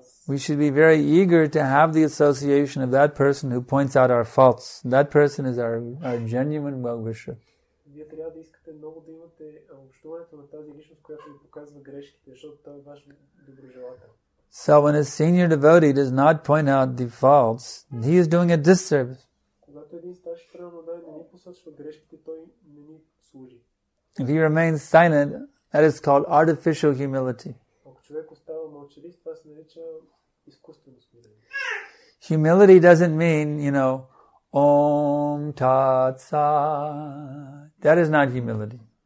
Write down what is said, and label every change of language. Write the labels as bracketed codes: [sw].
[en] We should be very eager to have the association of that person who points out our faults. That person is our genuine well-wisher. [bg] Вие трябва да искате много да имате общуването на тази личност, която ви показва грешките, защото той е ваш доброжелател. [en] So when a senior devotee does not point out the faults, he is doing a disservice. [bg] Когато един старши преподавател не ни посочва грешките, той не ни служи. [en] If he remains silent, that is called artificial humility. [bg] Ако човек остава мълчалив, това се нарича изкуствено смирение. [en] Humility doesn't mean, you know, Om Tat Sat. That is not humility.